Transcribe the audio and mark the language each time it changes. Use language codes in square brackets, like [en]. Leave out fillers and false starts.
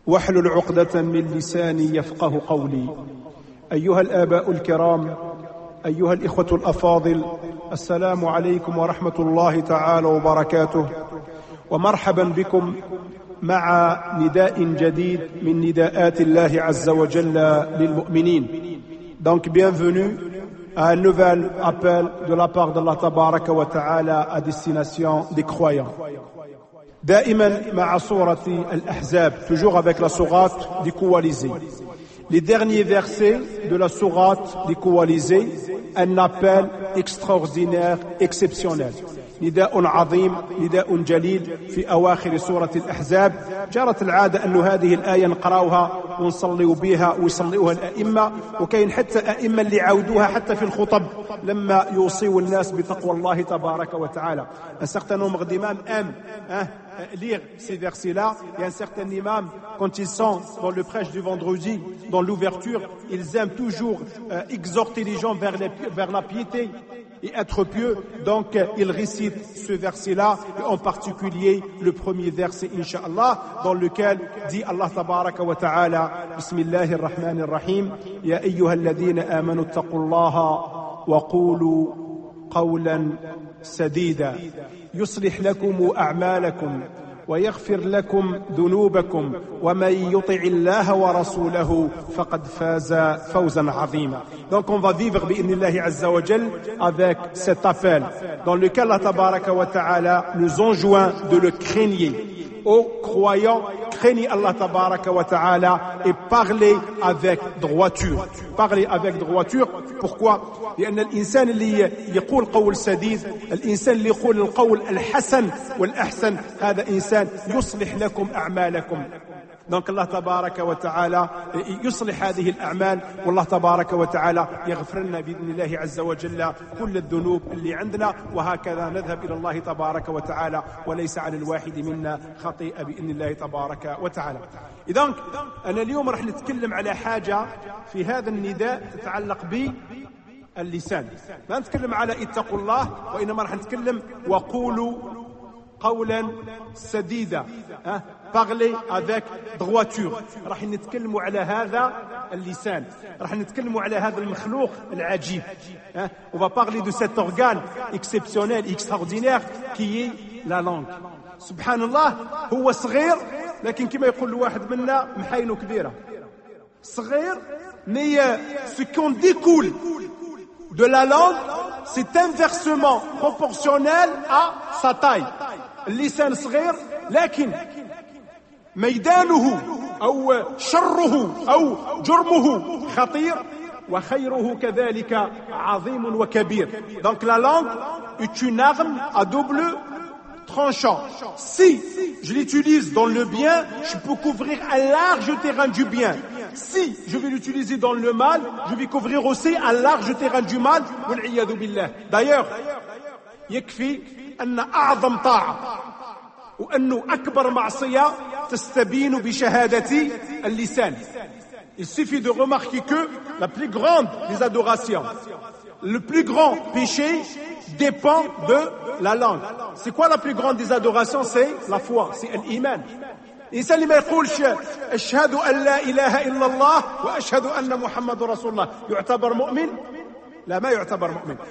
[ar] واحلل عقدة من لساني يفقه قولي. أيها الآباء الكرام، أيها الإخوة الأفاضل، السلام عليكم ورحمة الله تعالى وبركاته، ومرحبا بكم مع نداء جديد من نداءات الله عز وجل للمؤمنين. [fr] Donc bienvenue à un nouvel appel de la part d'Allah [ar] تبارك وتعالى [fr] à destination des croyants. [ar] دائما مع سورة الأحزاب, [fr] toujours avec la sourate des coalisés. Les derniers versets de la sourate des coalisés, un appel extraordinaire, exceptionnel. [ar] نداء عظيم, نداء جليل في أواخر سورة الأحزاب. جرت العادة أن هذه الآية نقراوها ونصلي بها ويصليها الأئمة, وكاين حتى أئمة اللي عودوها حتى في الخطب لما يوصيوا الناس بتقوى الله تبارك وتعالى. أسقطنهم غدمام أم أه lire ces versets-là. [fr] Il y a un certain imam, quand ils sont dans le prêche du vendredi, dans l'ouverture, ils aiment toujours exhorter les gens vers la piété et être pieux. Donc, ils récitent ce verset-là, et en particulier le premier verset, Inch'Allah, dans lequel dit Allah tabaraka wa ta'ala, [ar] Bismillahir Rahmanir Rahim, Ya ayyuha alladhina amanu taqullaha wa qulu qawlan sadida. يصلح لكم أعمالكم ويغفر لكم ذنوبكم ومن يطع الله ورسوله فقد فاز فوزا عظيما. [fr] Donc on va vivre [ar] بإذن الله عز وجل [fr] avec cet appel dans lequel Allah [ar] تبارك وتعالى [fr] nous enjoint de le craigner. Ô croyants, craignez Allah [ar] تبارك وتعالى [fr] et parlez avec droiture. Parlez avec droiture. Pourquoi ? [ar] لأن الإنسان اللي يقول قول سديد, الإنسان اللي يقول القول الحسن والأحسن, هذا إنسان يصلح لكم أعمالكم. Donc الله تبارك وتعالى يصلح هذه الأعمال, والله تبارك وتعالى يغفر لنا بإذن الله عز وجل كل الذنوب اللي عندنا, وهكذا نذهب إلى الله تبارك وتعالى, وليس على الواحد منا خطيئة بإذن الله تبارك وتعالى. إذن أنا اليوم رح نتكلم على حاجة في هذا النداء تتعلق باللسان. ما نتكلم على اتقوا الله, وإنما رح نتكلم وقولوا قولا سديدا. [fr] Parler avec droiture. [ar] راح نتكلموا على هذا اللسان. راح نتكلموا على هذا المخلوق العجيب. [fr] On va parler de cet organe exceptionnel, extraordinaire, qui est la langue. [ar] سبحان الله, هو صغير, لكن كما يقول الواحد منا محينه كبيرة. [fr] صغير, mais ce qu'on découle de la langue, c'est inversement proportionnel à sa taille. [ar] اللسان صغير, لكن ميدانه أو شره أو جرمه خطير, وخيره كذلك عظيم وكبير. [fr] Donc la langue est une arme à double tranchant. Si je l'utilise dans le bien, je peux couvrir un large terrain du bien. Si je vais l'utiliser dans le mal, je vais couvrir aussi un large terrain du mal. [ar] والعياذ بالله. D'ailleurs, يكفي أن أعظم طاعة وأنه أكبر معصية تستبين بشهادة اللسان. [fr] Il suffit de remarquer que la plus grande des adorations, le plus grand péché dépend de la langue. C'est quoi la plus grande des adorations? C'est la foi, c'est l'iman. [ar] الإنسان لما يقولش أشهد أن لا إله إلا الله وأشهد أن محمد رسول الله يعتبر مؤمن؟ لا, ما يعتبر مؤمن.